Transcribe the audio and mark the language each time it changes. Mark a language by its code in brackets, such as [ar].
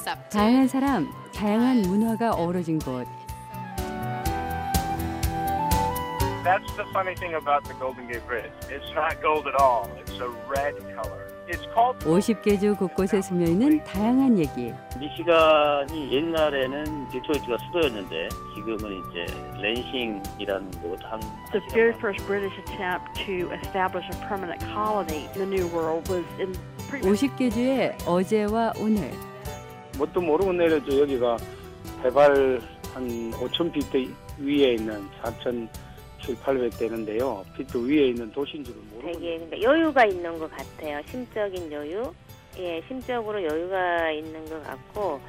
[ko] 다양한 사람, 다양한 문화가 어우러진 곳. [en] That's the funny thing about the Golden Gate Bridge. It's not gold at all. It's a red color. It's called. [ko] 50개 주 곳곳에 숨어 있는 다양한 얘기. 미시간이 옛날에는 디트로이트가 수도였는데 지금은 이제 랜싱이라는 곳 한. [en] The very first British attempt to establish a permanent colony in the New World was in. [ko] 50개 주의 어제와 오늘. 뭣도 모르고 내려도 여기가 해발 한 5천 피트 위에 있는 4천. 7,800 되는데요. 피트 위에 있는 도시인 줄은 모르겠는데 여유가 있는 것 같아요. 심적인 여유. 예, 심적으로 여유가 있는 것 같고.